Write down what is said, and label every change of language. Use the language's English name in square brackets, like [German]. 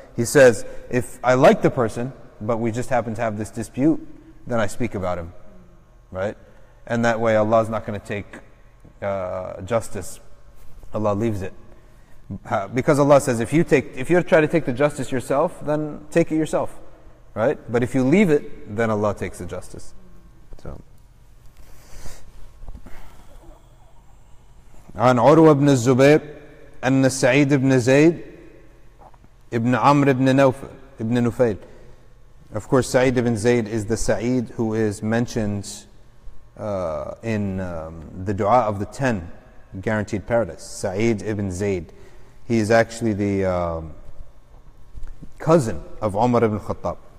[English] He says, if I like the person, but we just happen to have this dispute, then I speak about him, right? And that way Allah is not going to take justice. Allah leaves it. Because Allah says, if you try to take the justice yourself, then take it yourself, right? But if you leave it, then Allah takes the justice. [Arabic] So, عن عروة بن الزبير أن سعيد بن زيد ابن عمرو بن نوفل ابن نوفيل. [English] Of course, Sa'id ibn Zayd is the Sa'id who is mentioned in the dua of the 10 guaranteed paradise. Sa'id ibn Zayd. He is actually the cousin of Umar ibn Khattab.